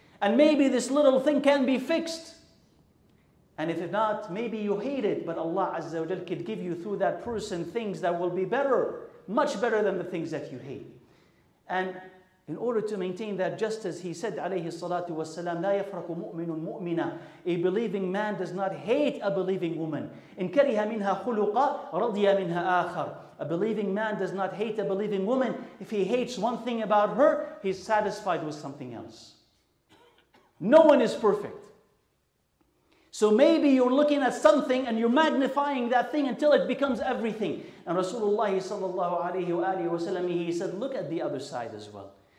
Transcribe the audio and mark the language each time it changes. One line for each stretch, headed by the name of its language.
English: And maybe this little thing can be fixed. And if not, maybe you hate it, but Allah Azza wa Jal could give you through that person things that will be better, much better than the things that you hate. And in order to maintain that justice, he said, alayhi salatu wassalam,
Arabic: لا يفرق مؤمن مؤمنة.
English: A believing man does not hate a believing woman.
Arabic: إن كره منها خلقا رضي منها آخر.
English: A believing man does not hate a believing woman. If he hates one thing about her, he's satisfied with something else. No one is perfect. So maybe you're looking at something and you're magnifying that thing until it becomes everything. And Rasulullah sallallahu alayhi wa alihi wa sallam, he said, look at the other side as well.